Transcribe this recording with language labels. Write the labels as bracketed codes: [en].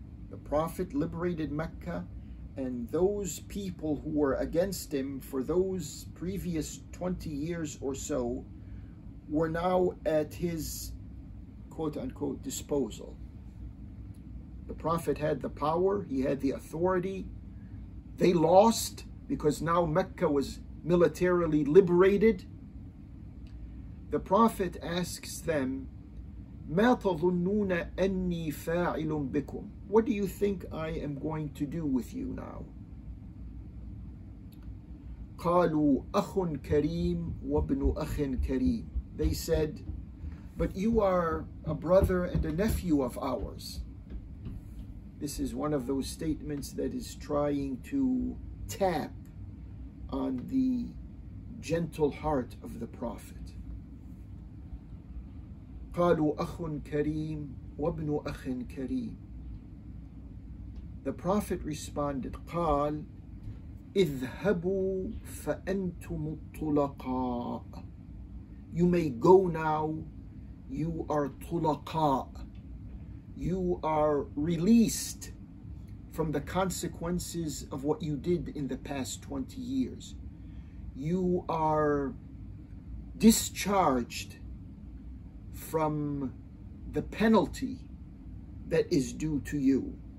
[en] The Prophet liberated Mecca, and those people who were against him for those previous 20 years or so were now at his quote-unquote disposal. The Prophet had the power, he had the authority. They lost because now Mecca was militarily liberated. The Prophet asks them, [ar] ما تظنون أني فاعل بكم? [en] What do you think I am going to do with you now? [ar] قالوا أخ كريم وابن أخ كريم. [en] They said, but you are a brother and a nephew of ours. This is one of those statements that is trying to tap on the gentle heart of the Prophet. [ar] قالوا أخ كريم وابن أخ كريم. [en] The Prophet responded, [ar] قال اذهبوا فأنتم الطلقاء. [en] You may go now, you are طلقاء. You are released from the consequences of what you did in the past 20 years. You are discharged from the penalty that is due to you.